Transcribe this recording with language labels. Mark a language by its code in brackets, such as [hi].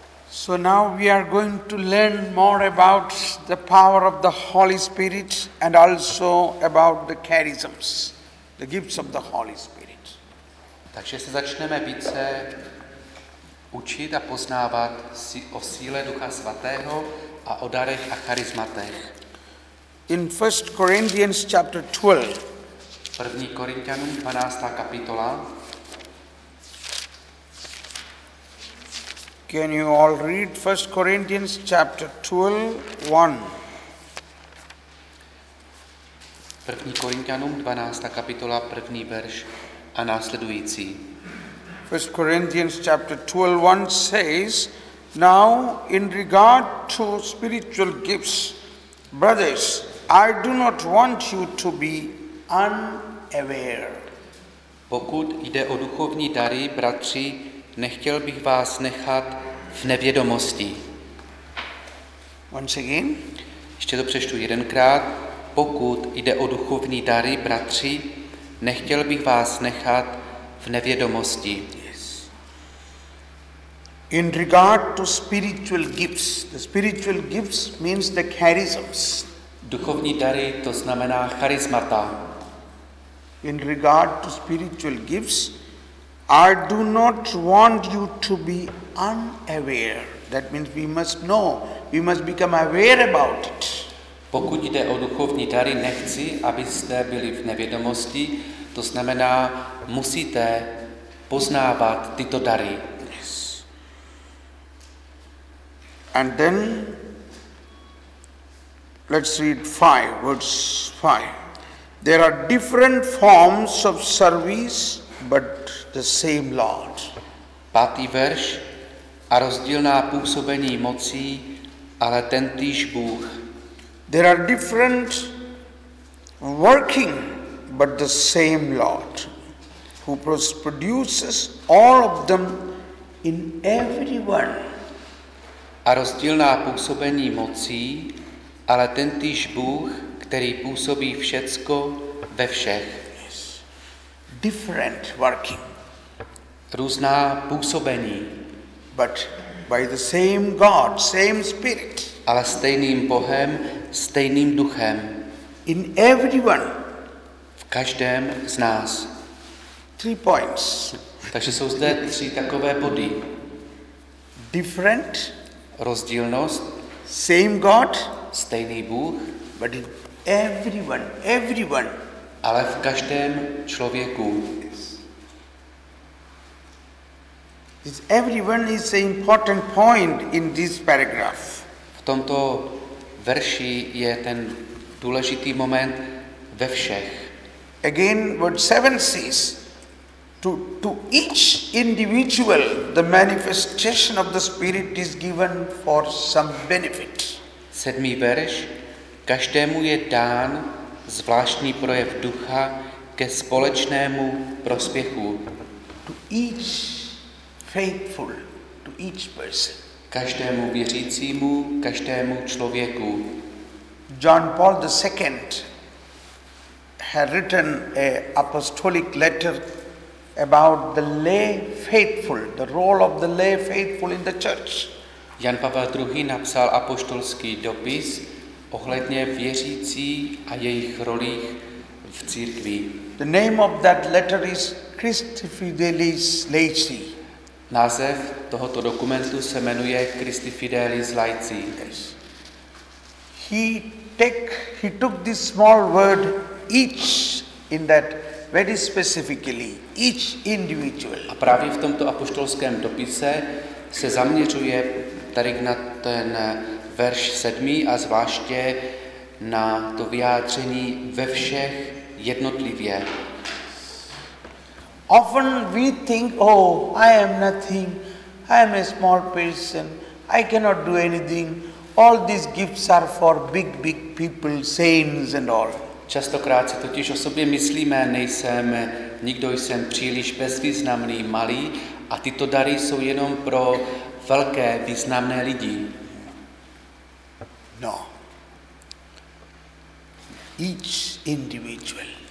[en] So now we are going to learn more about the power of the Holy Spirit and also about the charisms, the gifts of the Holy Spirit. [cs] Takže se začneme více učit a poznávat o síle Ducha Svatého a o darech a charismatech. [en] In 1 Corinthians chapter 12. [cs] 1. Korintianům 12. kapitola. [en] Can you all read 1 Corinthians chapter 12:1? [cs] 1. Korintianům 12. kapitola, 1. verš a následující. [en] 1 Corinthians chapter 12:1 says, Now in regard to spiritual gifts, brothers, I do not want you to be unaware. [cs] Pokud jde o duchovní dary, bratři, nechtěl bych vás nechat v nevědomosti. [en] Once again. [cs] Ještě to přečtu jedenkrát. Pokud jde o duchovní dary, bratři, nechtěl bych vás nechat v nevědomosti. [en] In regard to spiritual gifts, the spiritual gifts means the charisms. [cs] Duchovní dary, to znamená charismata. [en] In regard to spiritual gifts, I do not want you to be unaware. That means we must know, we must become aware about it. [cs] Pokud jde o duchovní dary, nechci, abyste byli v nevědomosti, to znamená, musíte poznávat tyto dary. [en] And then let's read 5 words 5 There are different forms of service but the same Lord. [cs] Pátý verš a rozdílná působení mocí, ale tentýž Bůh. [en] There are different working but the same Lord who produces all of them in everyone. [cs] A rozdílná působení mocí, ale tentýž Bůh, který působí všecko ve všech. [en] Yes. Different working. [cs] Různá působení. [en] But by the same God, same Spirit. [cs] Ale stejným Bohem, stejným duchem. [en] In everyone. [cs] V každém z nás. [en] Three points. [cs] Takže jsou zde tři takové body. [en] Different. [cs] Rozdílnost. [en] Same God, [cs] stejný Bůh, [en] but in everyone, [cs] ale v každém člověku. [en] Yes. This everyone is an important point in this paragraph. [cs] V tomto verši je ten důležitý moment ve všech. [en] Again, what 7 says. To each individual, the manifestation of the Spirit is given for some benefit. [cs] Sedmý verš. Každému je dán zvláštní projev ducha ke společnému prospěchu. [en] To each faithful, to each person. [cs] Každému věřícímu, každému člověku. [en] John Paul II had written a apostolic letter about the lay faithful, the role of the lay faithful in the church. [cs] Jan Pavel II. Napsal apoštolský dopis ohledně věřící a jejich rolí v církvi. [en] The name of that letter is Christi Fidelis Laici. [cs] Název tohoto dokumentu se jmenuje Christi Fidelis Laici. [en] Yes. He took this small word each in that very specifically, each individual. [cs] A právě v tomto apoštolském dopise se zaměřuje tady na ten verš 7. a zvláště na to vyjádření ve všech jednotlivě. [en] Often we think, oh, I am nothing, I am a small person, I cannot do anything. All these gifts are for big, big people, saints and all. [cs] Častokrát si totiž o sobě myslíme, nejsem, nikdo jsem příliš bezvýznamný, malý, a tyto dary jsou jenom pro velké, významné lidi. [en] No. Each individual.